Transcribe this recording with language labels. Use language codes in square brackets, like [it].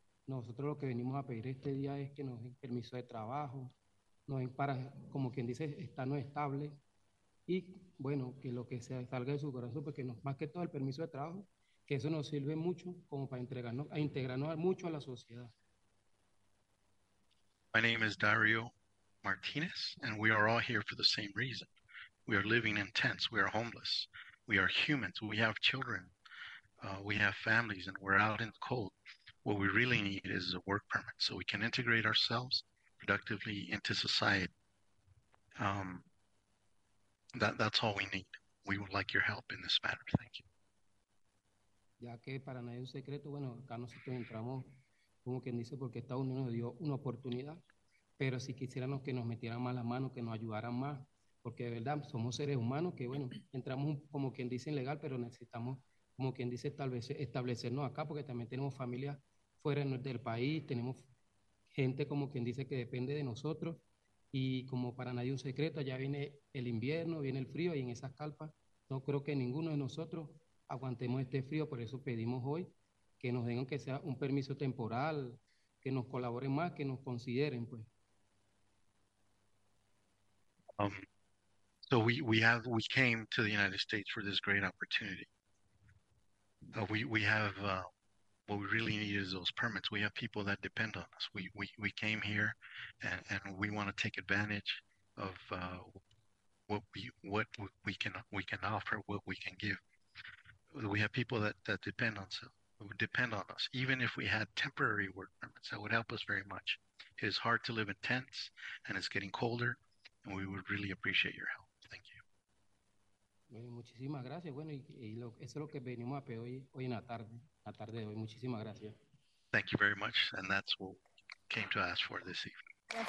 [es] Nosotros lo que venimos a pedir este día es que nos den permiso de trabajo, nos den para, como quien dice, estar no estable. Y bueno, que lo que sea salga de su corazón, porque no, más que todo el permiso de trabajo, que eso nos sirve mucho como para entregarnos, a integrarnos mucho a la sociedad. [en] My name is Dario Martinez, and we are all here for the same reason. We are living in tents, we are homeless, we are humans, we have children. We have families, and we're out in the cold. What we really need is a work permit so we can integrate ourselves productively into society. That's all we need. We would like your help in this matter. Thank you. [es] Ya que para nadie es un secreto, bueno, acá nosotros entramos, como quien dice, porque Estados Unidos nos dio una oportunidad, pero si quisiéramos que nos metieran más las manos, que nos ayudaran más, porque de verdad somos seres humanos que, bueno, entramos, como quien dice, ilegal, pero necesitamos, como quien dice, tal vez establecernos acá, porque también tenemos familias fuera del país, tenemos gente, como quien dice, que depende de nosotros, y como para nadie un secreto, allá viene el invierno, viene el frío, y en esas carpas no creo que ninguno de nosotros aguantemos este frío, por eso pedimos hoy que nos den, aunque sea un permiso temporal, que nos colaboren más, que nos consideren, pues. [en] So we came to the United States for this great opportunity. What we really need is those permits. We have people that depend on us. We came here and we want to take advantage of what we can offer, what we can give. We have people that depend on us. Even if we had temporary work permits, that would help us very much. It is hard to live in tents and it's getting colder, and we would really appreciate your help. Thank you. [es] Muchísimas gracias. Bueno, eso es lo que venimos a pedir hoy en la tarde de hoy. Muchísimas gracias. [en] Thank you very much. And that's what we came to ask for this evening.